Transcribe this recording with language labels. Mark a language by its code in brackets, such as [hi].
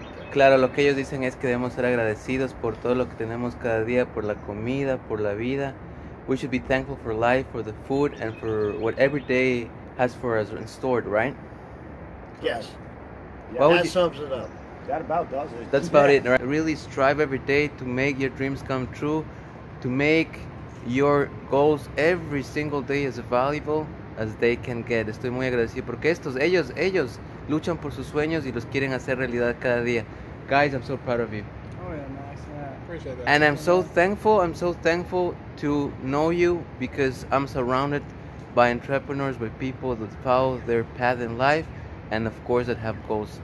[es] Claro, lo que ellos dicen es que debemos ser agradecidos por todo lo que tenemos cada día, por la comida, por la vida. [en] We should be thankful for life, for the food, and for what every day has for us in store, right? Yes. Yeah, that sums it up. That about does it. That's about it, right? Really strive every day to make your dreams come true, to make your goals every single day as valuable as they can get. [es] Estoy muy agradecido porque ellos luchan por sus sueños y los quieren hacer realidad cada día. [en] Guys, I'm so proud of you. Oh yeah, nice. Yeah. Appreciate that. And I'm so thankful to know you because I'm surrounded by entrepreneurs, by people that follow their path in life and of course that have goals.